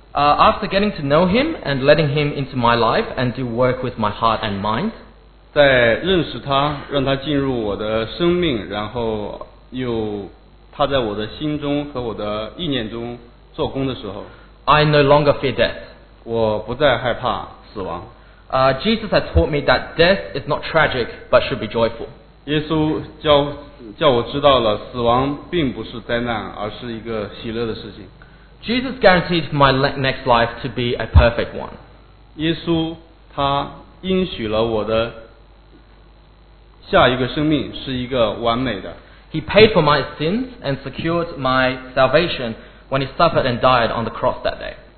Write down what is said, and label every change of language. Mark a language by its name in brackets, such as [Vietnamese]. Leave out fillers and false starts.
[English] After getting to know him and letting him into my life and do work with my heart and mind, [Chinese] 在认识他，让他进入我的生命，然后又他在我的心中和我的意念中做工的时候， [English] I no longer fear death. [Chinese] 我不再害怕死亡。 [English] Jesus has taught me that death is not tragic, but should be joyful. [Chinese] 耶稣叫我知道了死亡并不是灾难，而是一个喜乐的事情。 [English] Jesus guaranteed my next life to be a perfect one. [Chinese] 耶稣他应许了我的下一个生命是一个完美的。 [English] He paid for my sins and secured my salvation when he suffered and died on the cross that day.